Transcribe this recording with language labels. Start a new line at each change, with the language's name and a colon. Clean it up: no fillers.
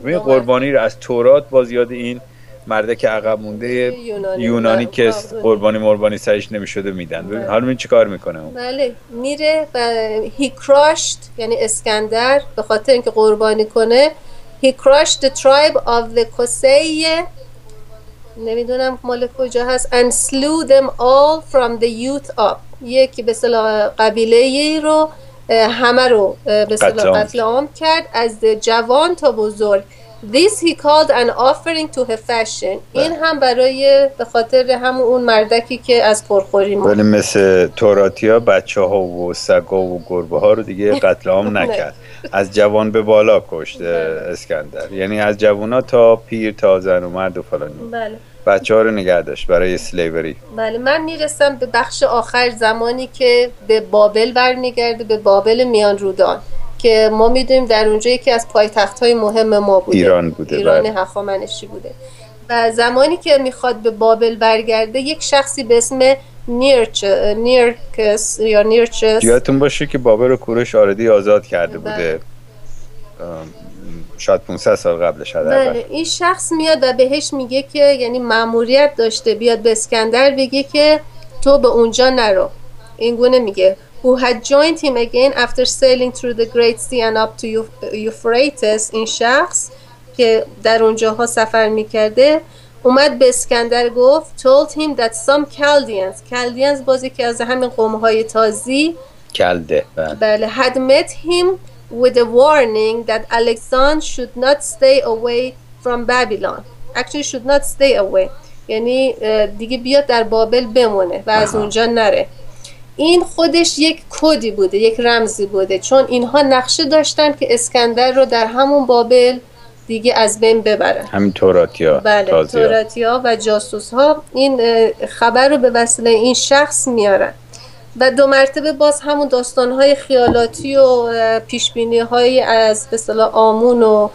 Persian: ببین قربانی رو از تورات با زیاد این مرده که عقب مونده یونانی که قربانی مربانی سرش نمیشده میدن. ببین حالا این چیکار میکنه اون؟ بله میره و هی کراشت، یعنی اسکندر به خاطر اینکه قربانی کنه، هی
English: crushed tribe of the Xhosa
Persian: نمیدونم مال کجا هست.
English: And slew them all from the youth up.
Persian: یک به صلاح قبیله ای رو همه رو به صلاح قتل عام کرد از جوان تا بزرگ.
English: This he called an offering to Hephaestion.
Persian: این هم برای به خاطر همون اون مردکی که از پرخوری مرد. ولی مثل توراتیا بچه ها و سگا و گربه ها رو دیگه قتل عام نکرد. از جوان به بالا کشت اسکندر. یعنی از جوان ها تا پیر تا زن و مرد و فلانی. بله. بچه ها رو نگه داشت برای سلیوری. بله. من میرسم به بخش آخر زمانی که به بابل برمیگرده، به بابل میان رودان. که ما میدونیم در اونجا یکی از پایتخت های مهم ما بوده، ایران بوده، ایران هخامنشی بوده. و زمانی که میخواد به بابل برگرده یک شخصی به اسم نیرکس یا نیرچس، یادتون باشه که بابل رو کوروش آردی آزاد کرده بوده، شاید 500 سال قبلش. بله. این شخص میاد و بهش میگه که، یعنی ماموریت داشته بیاد به اسکندر بگه که تو به اونجا نرو. اینگونه میگه:
English: who had joined him again after sailing through the great sea and up to Euphrates.
Persian: این شخص که در اونجاها سفر میکرده اومد به اسکندر گفت
English: told him that some Chaldeans.
Persian: Chaldeans بازی که از همین قومهای تازی کلده. بله.
English: had met him with a warning that Alexander should not stay away from Babylon. Actually should not stay away.
Persian: یعنی دیگه بیاد در بابل بمونه و از اونجا نره. این خودش یک کدی بوده، یک رمزی بوده، چون اینها نقشه داشتن که اسکندر رو در همون بابل دیگه از بین ببرن. همین توراتیا. بله. توراتیا و جاسوس ها این خبر رو به وسیله این شخص میارن و دو مرتبه باز همون داستان های خیالاتی و پیشبینی های از به اصطلاح آمون و